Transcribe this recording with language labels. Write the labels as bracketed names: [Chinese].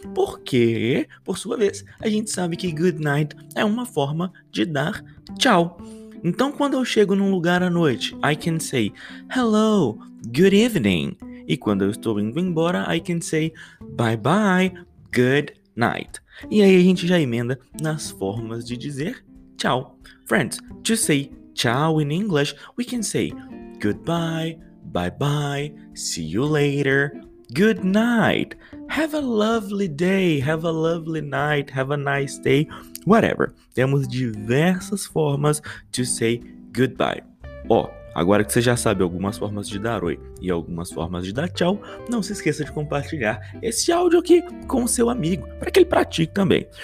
[Portuguese] Porque, por sua vez, a gente sabe que good night é uma forma de dar tchau. Então, quando eu chego num lugar à noite, [English] I can say hello, good evening. [Portuguese] E quando eu estou indo embora, [English] I can say bye bye, good night. [Portuguese] E aí a gente já emenda nas formas de dizer tchau. [English] Friends, to say tchau in English, we can say goodbye, bye-bye, see you later, good night, have a lovely day, have a lovely night, have a nice day, whatever. [Portuguese] Temos diversas formas [English] to say goodbye. [Portuguese] Ó, agora que você já sabe algumas formas de dar oi e algumas formas de dar tchau, não se esqueça de compartilhar esse áudio aqui com o seu amigo, para que ele pratique também.